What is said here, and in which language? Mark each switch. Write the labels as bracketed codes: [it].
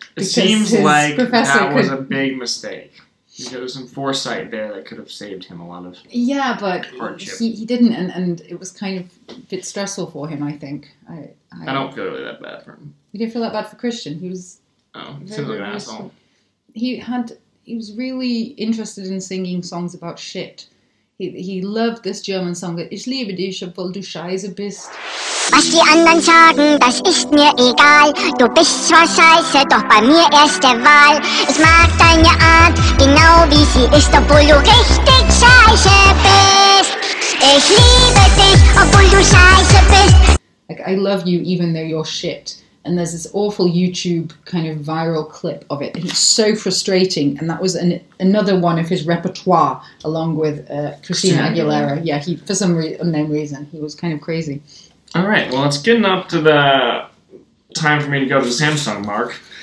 [en] It seems like that was a big mistake. There was some foresight there that could have saved him a lot of hardship. He didn't, and it was kind of a bit stressful for him, I think. I don't feel really that bad for him. You didn't feel that bad for Christian? He was... Oh, seems like an asshole. He was really interested in singing songs about shit. He loved this German song, [de] Ich liebe dich, obwohl du scheiße bist. Was die anderen sagen, das ist mir egal. Du bist zwar scheiße, doch bei mir erste Wahl. Ich mag deine Art, genau wie sie ist, obwohl du richtig scheiße bist. Ich liebe dich, obwohl du scheiße bist. [en] Like, I love you even though you're shit. And there's this awful YouTube kind of viral clip of it. And it's so frustrating. And that was another one of his repertoire, along with Christina Aguilera. Yeah, he for some unknown reason, he was kind of crazy. All right, well, it's getting up to the time for me to go to the Samsung, Mark.